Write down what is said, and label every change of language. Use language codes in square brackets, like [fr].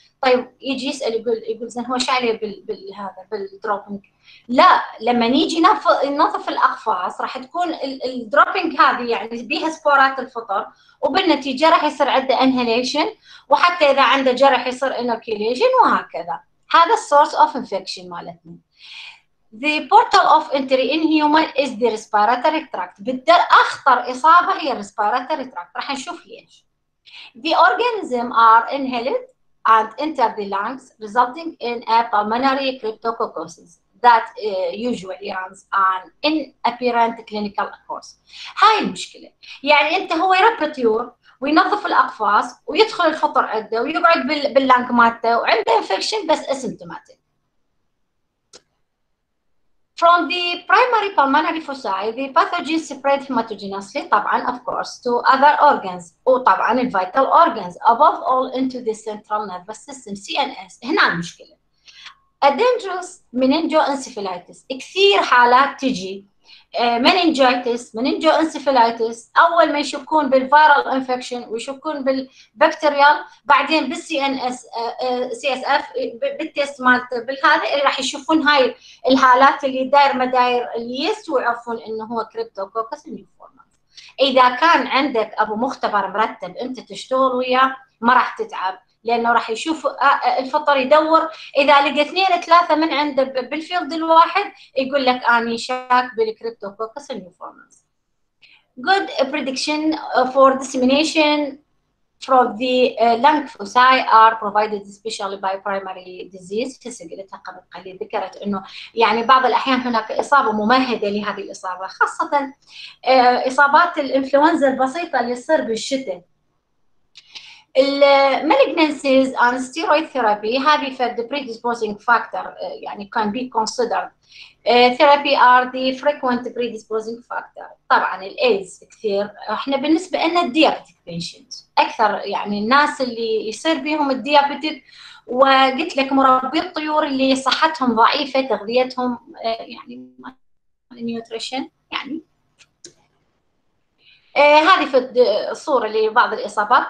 [ar] طيب يجي يسال يقول زين هو شو عليه بالهذا بالدروبينج؟ لا، لما نيجي ننظف الاقفاص راح تكون الدروبينج هذه يعني بيها سبورات الفطر، وبالنتيجه راح يصير عنده انهيليشن، وحتى اذا عنده جرح يصير انوكيليشن وهكذا. هذا [en] السورس of infection [ar] مالتنا. [en] The portal of entry in human is the respiratory tract. [ar] بدل أخطر إصابة هي respiratory tract. رح نشوف ليش. [en] The organism are inhaled and enter the lungs, resulting in a pulmonary cryptococcosis that usually runs on in apparent clinical course. [ar] هاي المشكلة. يعني أنت هو يربى طيور وينظف الأقفاص ويدخل الخطر عنده ويقعد باللانك مالته وعنده infection بس asymptomatic. [en] From the primary pulmonary foci, the pathogen spread hematogenously, [ar] طبعاً [en] of course, to other organs, [ar] وطبعاً [en] vital organs, above all into the central nervous system, CNS. [ar] هنا المشكلة. [en] A dangerous meningoencephalitis. [ar] كثير حالات تجي meningitis, meningoencephalitis. أول ما يشكون بالviral infection ويشكون بالbacterial, بعدين بال CNS, CSF, بالتست مالت بالهذا اللي راح يشوفون هاي الحالات اللي داير مداير اللي يعرفون إنه هو cryptococcus pneumoniae. إذا كان عندك أبو مختبر مرتب أنت تشتغل وياه ما راح تتعب. لانه راح يشوف الفطر يدور اذا لقى اثنين ثلاثه من عنده بالفيلد الواحد يقول لك اني شاك بالكريبتوكوكس النيوفورمانس. [en] Good prediction for dissemination from the lung foci are provided especially by primary disease. [ar] هسه قلتها قبل قليل ذكرت انه يعني بعض الاحيان هناك اصابه ممهده لهذه الاصابه خاصه اصابات الانفلونزا البسيطه اللي تصير بالشتاء. [en] Malignancies and steroid therapy have for the predisposing factor, يعني can be considered. Therapy are the frequent predisposing factor. [ar] طبعا الايدز كثير احنا بالنسبه لنا الديابيتيك بيشنت اكثر يعني الناس اللي يصير بهم الديابيتيك وقلت لك مربي الطيور اللي صحتهم ضعيفه تغذيتهم يعني نيوتريشن يعني هذه في الصورة لبعض الإصابات.